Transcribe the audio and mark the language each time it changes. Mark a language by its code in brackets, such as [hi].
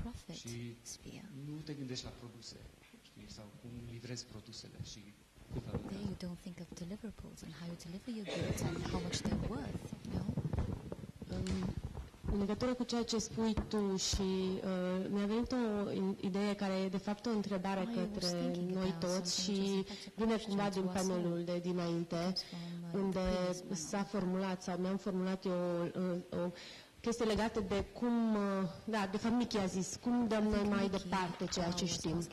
[ro] și nu te gândești la produse, știi, sau cum livrezi produsele și cu valoarea. [en] There you don't think of deliverables and how you deliver your goods and how much they're worth, no? [ro] În legătură cu ceea ce spui tu și mi-a venit o idee care e de fapt o întrebare către noi toți și vine cumva din panelul de dinainte unde s-a formulat sau mi-am formulat eu o chestie legată de cum, da, de fapt Michi a zis, cum dăm noi mai departe ceea ce știm.